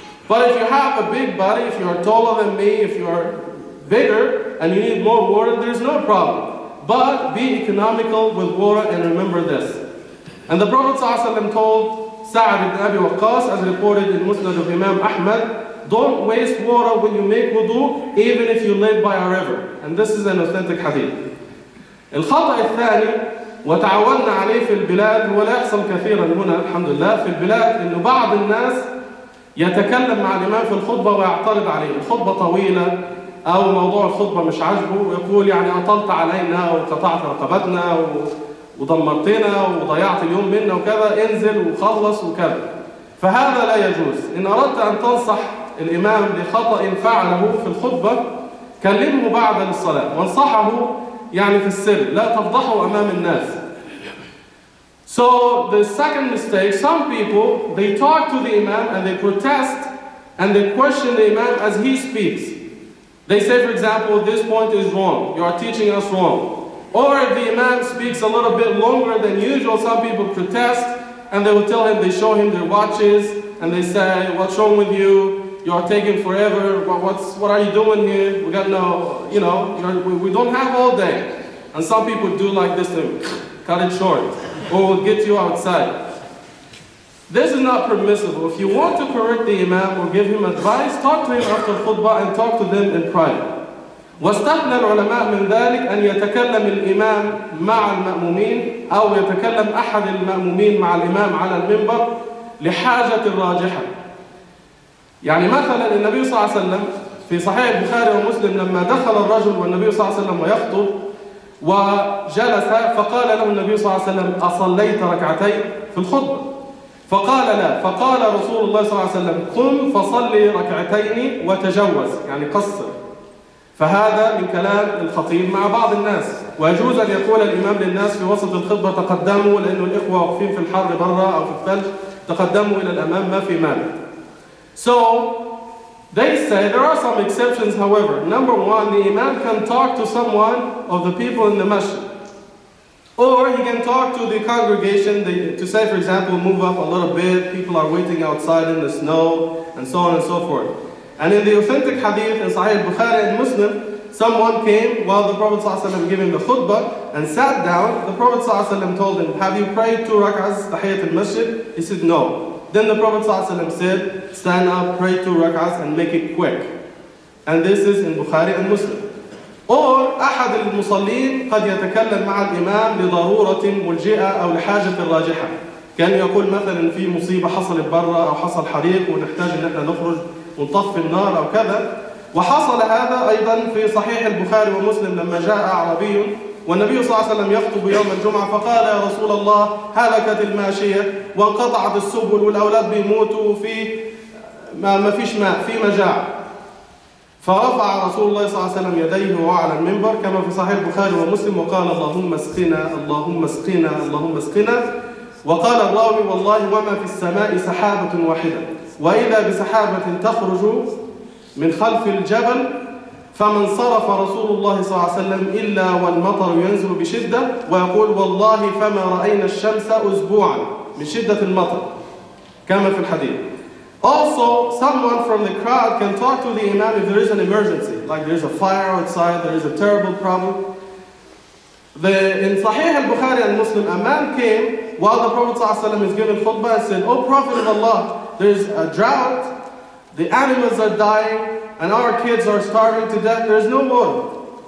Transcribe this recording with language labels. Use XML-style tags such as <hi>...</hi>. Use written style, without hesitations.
<en>But if you have a big body, if you are taller than me, if you are bigger and you need more water, there's no problem. But be economical with water and remember this. And the Prophet ﷺ told Sa'd ibn Abi Waqqas, as reported in Musnad of Imam Ahmad, don't waste water when you make wudu, even if you live by a river. And this is an authentic hadith.</en> <ar>الخطأ الثاني وتعاوننا عليه في البلاد هو لا يحصل كثيرا هنا الحمد لله في البلاد إن بعض الناس يتكلم مع الإمام في الخطبة ويعترض عليه الخطبة طويلة أو موضوع الخطبة مش عاجبه ويقول يعني أطلت علينا وقطعت رقبتنا ودمرتنا وضيعت اليوم منا وكذا انزل وخلص وكذا، فهذا لا يجوز. إن أردت أن تنصح الإمام بخطأ فعله في الخطبة كلمه بعد الصلاة وانصحه يعني في السر لا تفضحه أمام الناس.</ar> <en>So the second mistake, some people they talk to the imam and they protest and they question the imam as he speaks. They say, for example, this point is wrong. You are teaching us wrong. Or if the imam speaks a little bit longer than usual, some people protest and they will tell him, they show him their watches and they say, what's wrong with you? You are taking forever. What are you doing here? We got no, you know, we don't have all day. And some people do like this to cut it short or we'll get you outside. This is not permissible. If you want to correct the imam or give him advice, talk to him after khutbah and talk to them in private.</en> <ar>واستثنى العلماء من ذلك أن يتكلم الإمام مع المأمومين أو يتكلم أحد المأمومين مع الإمام على المنبر لحاجة راجحة. يعني مثلا النبي صلى الله عليه وسلم في صحيح البخاري ومسلم لما دخل الرجل والنبي صلى الله عليه وسلم ويخطب وجلس فقال له النبي صلى الله عليه وسلم أصليت ركعتين في الخطبة؟ فقال لا. فقال رسول الله صلى الله عليه وسلم قم فصلي ركعتين وتجوز، يعني قصر. فهذا من كلام الخطيب مع بعض الناس، ويجوز أن يقول الإمام للناس في وسط الخطبة تقدموا، لأن الإخوة واقفين في الحر برا أو في الثلج، تقدموا إلى الأمام ما في مانع.</ar> <en>So they say there are some exceptions. However, number one, the imam can talk to someone of the people in the masjid, or he can talk to the congregation to say, for example, move up a little bit, people are waiting outside in the snow, and so on and so forth. And in the authentic hadith in Sahih Bukhari and Muslim, someone came while the Prophet ﷺ giving the khutbah and sat down. The Prophet ﷺ told him, have you prayed two rak'ahs tahiyyat al-masjid? He said, no. Then the Prophet ﷺ said, stand up, pray two rak'ahs and make it quick. And this is in Bukhari and Muslim.</en> <ar>Or, أحد المصلين قد يتكلم مع الإمام لضرورة ملجئة أو لحاجة راجحة. كان يقول مثلا في مصيبة حصلت برا أو حصل حريق ونحتاج أن احنا نخرج ونطفي النار أو كذا. وحصل هذا أيضا في صحيح البخاري ومسلم لما جاء عربي والنبي صلى الله عليه وسلم يخطب يوم الجمعة فقال يا رسول الله هلكت الماشية وانقطعت السبل والأولاد بيموتوا في ما فيش ماء في مجاعة. فرفع رسول الله صلى الله عليه وسلم يديه وعلى المنبر كما في صحيح البخاري ومسلم وقال اللهم اسقنا اللهم اسقنا اللهم اسقنا. وقال الراوي والله وما في السماء سحابة واحدة وإذا بسحابة تخرج من خلف الجبل فمن صرف رسول الله صلى الله عليه وسلم إلا والمطر ينزل بشدة ويقول والله فما رأينا الشمس أسبوعا من شدة المطر كما في الحديث.</ar> <en>Also, someone from the crowd can talk to the imam if there is an emergency. Like there is a fire outside, there is a terrible problem. In Sahih al-Bukhari al-Muslim, a man came while the Prophet ﷺ is giving khutbah and said, oh Prophet of Allah, there is a drought, the animals are dying, and our kids are starving to death, there is no water.</en>